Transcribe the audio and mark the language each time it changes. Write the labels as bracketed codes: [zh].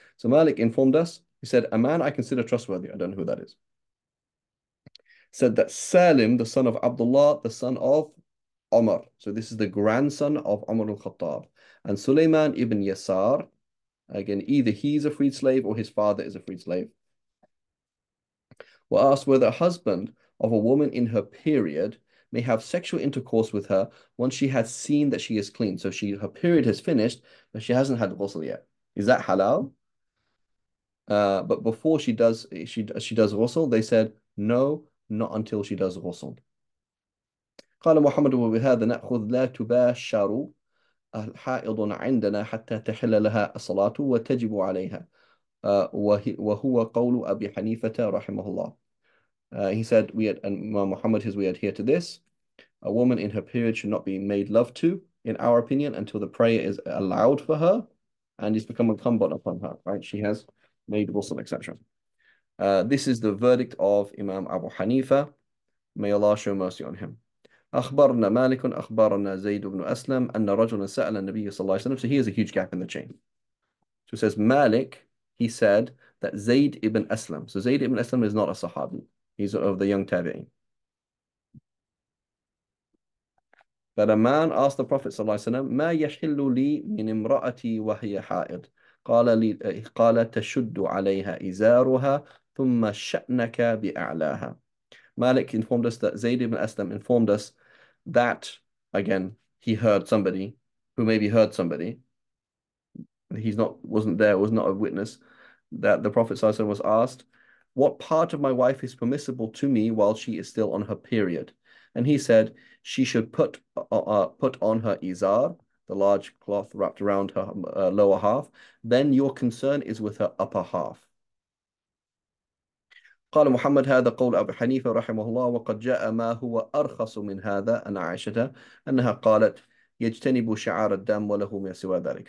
[en] So Malik informed us, he said, a man I consider trustworthy, I don't know who that is, said that Salim, the son of Abdullah, the son of Umar, so this is the grandson of Umar al-Khattab, and Sulaiman ibn Yasar, again, either he's a freed slave or his father is a freed slave, were asked whether a husband of a woman in her period may have sexual intercourse with her once she has seen that she is clean. So she her period has finished, but she hasn't had ghusl yet. Is that halal? But before she does ghusl, they said, no, not until she does ghusl. [ar] قال محمد وبهذا نأخذ لا تباشر الحائض عندنا حتى تحل لها الصلاة وتجب عليها وهو قول أبي حنيفة رحمه الله. [en] He said, we adhere to this. A woman in her period should not be made love to, in our opinion, until the prayer is allowed for her and it's become incumbent upon her, right? She has made ghusl, etc. This is the verdict of Imam Abu Hanifa. May Allah show mercy on him. [ar] أخبرنا مالك أخبرنا زيد بن أسلم أن رجلا سأل النبي صلى الله عليه وسلم. [en] So here's a huge gap in the chain. So it says Malik, he said that Zayd ibn Aslam. So Zayd ibn Aslam is not a Sahabi. He's of the young Tabi'in. But a man asked the Prophet [ar] صلى الله عليه وسلم, مَا يَحِلُّ لِي مِنْ امْرَأَتِي وَهِيَ حَائِدْ قَالَ تَشُدُّ عَلَيْهَا إِزَارُهَا ثُمَّ شَأْنَكَ بِأَعْلَاهَا. [en] Malik informed us that Zayd ibn Aslam informed us that, again, he heard somebody who maybe heard somebody. He's not, wasn't there, was not a witness, that the Prophet [ar] صلى الله عليه وسلم [en] was asked, what part of my wife is permissible to me while she is still on her period? And he said, she should put on her izar, the large cloth wrapped around her lower half. Then your concern is with her upper half. [ar] قال محمد هذا قول أبي حنيفة رحمه الله وقد جاء ما هو أرخص من هذا أن عائشة أنها قالت يجتنب شعار الدم وله ما سوى ذلك.